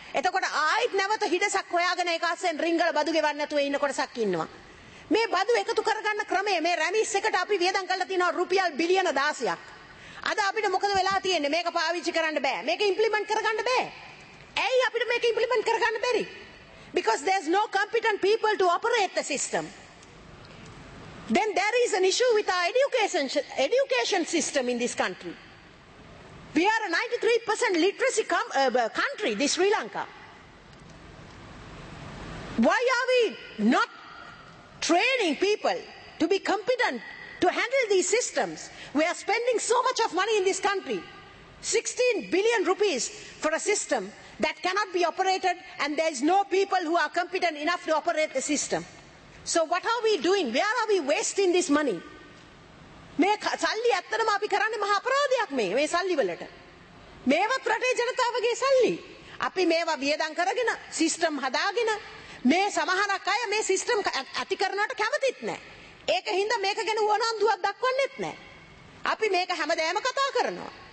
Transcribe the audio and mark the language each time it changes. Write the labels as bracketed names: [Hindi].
[Sinhala] එතකොට ආයිත් නැවත හිඩසක් හොයාගෙන ඒක අස්සෙන් රිංගල බදු ගෙවන්න නැතුව ඉන්න කොටසක් ඉන්නවා. මේ බදු එකතු කරගන්න ක්‍රමය මේ රැමිස් එකට අපි වියදම් කරලා තියෙනවා රුපියල් බිලියන 16ක්. අද අපිට මොකද වෙලා තියෙන්නේ? මේක පාවිච්චි කරන්න බෑ, මේක ඉම්ප්ලිමන්ට් කරගන්න බෑ. ඇයි අපිට මේක ඉම්ප්ලිමන්ට් කරගන්න බැරි? [English] Because there's no competent people to operate the system. Then there is an issue with our education system in this country. We are a 93% literacy country, this Sri Lanka. Why are we not training people to be competent to handle these systems? We are spending so much of money in this country, 16 billion rupees for a system that cannot be operated, and there is no people who are competent enough to operate the system. So what are we doing? Where are we wasting this money? [Sinhala] මේ සල්ලි ඇත්තටම අපි කරන්නේ මහා අපරාධයක් මේ මේ සල්ලි වලට. මේවත් රටේ ජනතාවගේ සල්ලි. අපි මේවා වියදම් කරගෙන සිස්ටම් හදාගෙන මේ සමහරක් අය මේ සිස්ටම් ඇති කරනවට කැමතිත් නැහැ. ඒක හින්දා මේක ගැන වුණාන්දුවක් දක්වන්නෙත් නැහැ. අපි මේක හැමදාම කතා කරනවා.